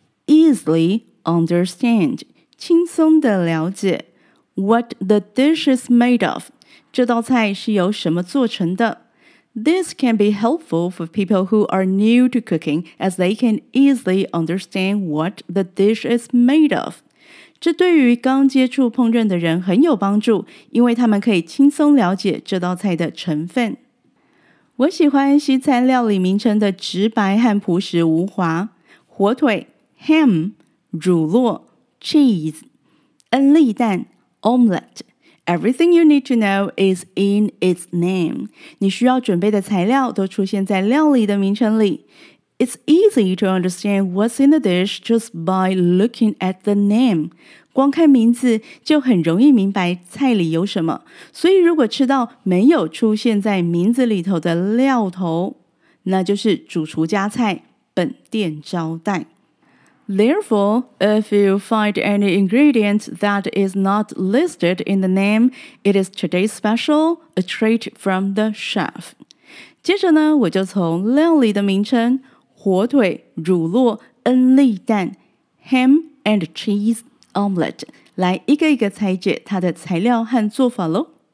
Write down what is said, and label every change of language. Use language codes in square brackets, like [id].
[en] easily understand, [zh] 轻松地了解 [en] what the dish is made of, [zh] 这道菜是由什么做成的 [en] This can be helpful for people who are new to cooking as they can easily understand what the dish is made of. [zh] 这对于刚接触烹饪的人很有帮助，因为他们可以轻松了解这道菜的成分。我喜欢西餐料理名称的直白和朴实无华。火腿 ham 乳酪 cheese 恩利蛋 omelette。 [en] Everything you need to know is in its name。 [zh] 你需要准备的材料都出现在料理的名称里。 [en] It's easy to understand what's in the dish just by looking at the name. [zh] 光看名字就很容易明白菜里有什么。所以如果吃到没有出现在名字里头的料头，那就是主厨家菜，本店招待。 [en] Therefore, if you find any ingredient that is not listed in the name, it is today's special, a treat from the chef. [zh] 接着呢，我就从料理的名称火腿乳酪恩利蛋 Ham and Cheese Omelette 来一个一个拆解它的材料和做法咯